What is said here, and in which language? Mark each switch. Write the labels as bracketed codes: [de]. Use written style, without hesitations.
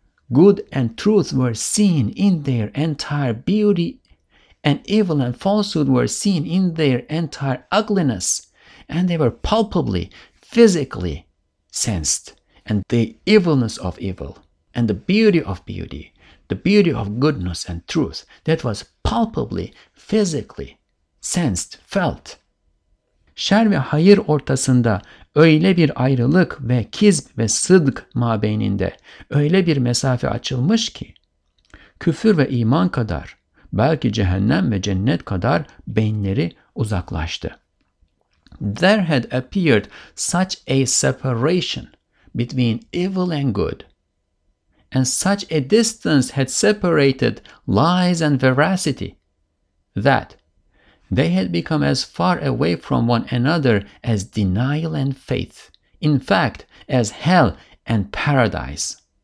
[en] Good and truth were seen in their entire beauty, and evil and falsehood were seen in their entire ugliness, and they were palpably, physically sensed. And the evilness of evil, and the beauty of beauty, the beauty of goodness and truth, that was palpably, physically sensed, felt. [tr] Şer ve hayır ortasında öyle bir ayrılık ve kizb ve sıdk mabeyninde öyle bir mesafe açılmış ki, küfür ve iman kadar, belki cehennem ve cennet kadar beyinleri uzaklaştı. [en] There had appeared such a separation between evil and good, and such a distance had separated lies and veracity, that they had become as far away from one another as denial and faith, in fact, as hell and paradise.